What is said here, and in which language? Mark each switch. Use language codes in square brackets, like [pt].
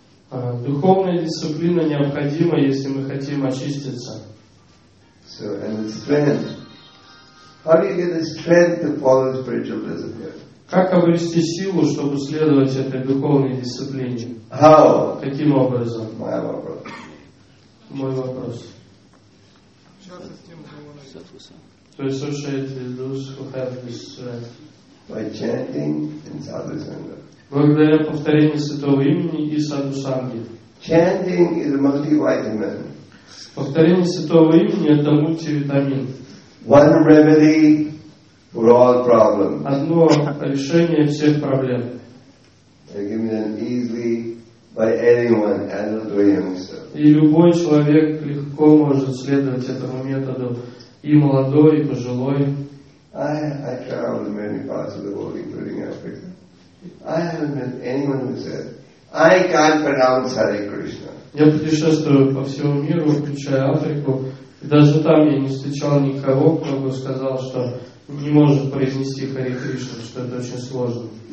[ru] Духовная дисциплина необходима, если мы хотим очиститься. [en] So, and the strength. How do you get the strength to follow spiritual discipline? [ru] Как обрести силу, чтобы следовать этой духовной дисциплине? [en] How? [ru] Каким образом? [en] My [ru] вопрос. Мой вопрос. То есть, слушайте, [en] those who have this strength. By chanting in sadhusanga. [ru] Благодаря повторению святого имени и садхусанги. [en] Chanting is a multivitamin. [ru] Повторение святого имени – это мультивитамин. [en] One remedy for all problems. [ru] Одно решение всех проблем. [en] Easily by anyone, adult or youngster. [ru] И любой человек легко может следовать этому методу, и молодой, и пожилой. [en] I traveled in many parts of the world, including Africa. I haven't met anyone who said, I can't pronounce Hare Krishna. [ru] Я путешествую по всему миру, включая Африку, и даже там я не встречал никого, кто бы сказал, что не может произнести Хари Кришна, что это очень сложно.